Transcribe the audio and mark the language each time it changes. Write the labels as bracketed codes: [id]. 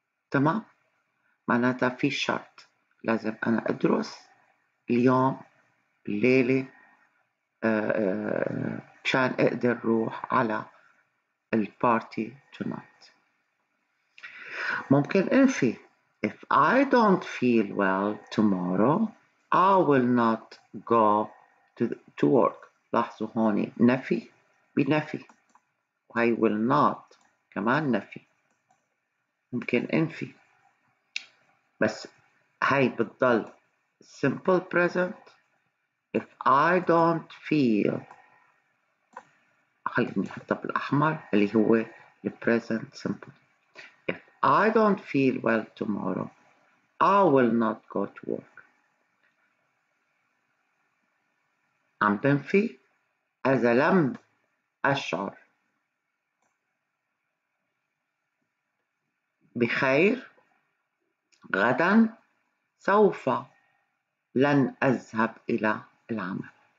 [ar] تمام؟ معناتها في شرط. لازم أنا أدرس اليوم بالليلة مشان أقدر روح على البارتي [en] tonight. [ar] ممكن أنفي. [en] If I don't feel well tomorrow I will not go to work. [ar] لاحظوا هون نفي بنفي وهي [en] will not [ar] كمان نفي. ممكن أنفي بس هاي بتضل simple present. [en] If I don't feel [ar] خليني حطها بالأحمر اللي هو [en] the present simple. [ar] If I don't feel well tomorrow I will not go to work. عم بنفي إذا لم أشعر بخير غدا سوف لن أذهب إلى العمل.